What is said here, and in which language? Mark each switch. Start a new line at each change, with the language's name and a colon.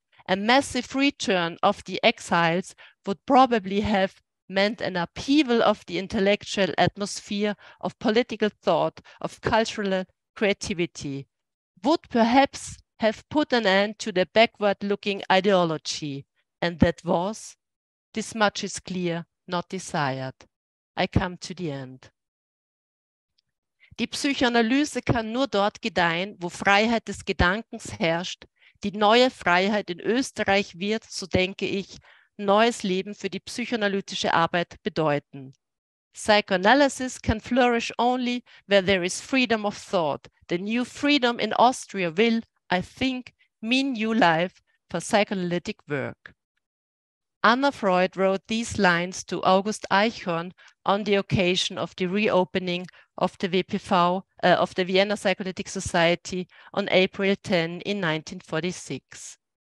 English: A massive return of the exiles would probably have meant an upheaval of the intellectual atmosphere, of political thought, of cultural creativity, would perhaps have put an end to the backward-looking ideology, and that was, this much is clear, not desired. I come to the end.
German: Die Psychoanalyse kann nur dort gedeihen, wo Freiheit des Gedankens herrscht. Die neue Freiheit in Österreich wird, so denke ich, neues Leben für die psychoanalytische Arbeit bedeuten.
English: Psychoanalysis can flourish only where there is freedom of thought. The new freedom in Austria will, I think, mean new life for psychoanalytic work. Anna Freud wrote these lines to August Eichhorn on the occasion of the reopening of the VPV, of the Vienna Psychoanalytic Society on April 10 in 1946.